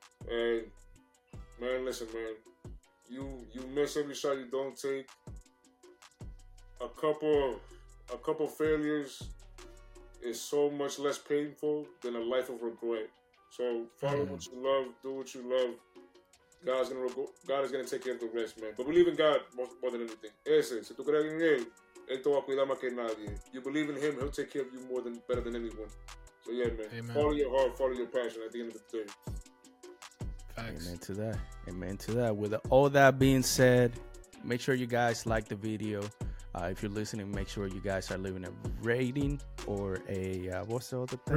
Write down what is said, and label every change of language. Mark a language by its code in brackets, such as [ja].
[en] And man, listen, man, you miss every shot you don't take. a couple failures is so much less painful than a life of regret. So follow what you love, do what you love. God is gonna take care of the rest, man. But believe in God more than anything. [es] Ese, si tú crees en él, él te va a cuidar más que nadie. [en] You believe in him, he'll take care of you better than anyone. So yeah, man. Amen. Follow your heart, follow your passion at the end of the day. Facts. Amen to that. Amen to that. With all that being said, make sure you guys like the video. If you're listening, make sure you guys are leaving a rating or a, what's the other thing?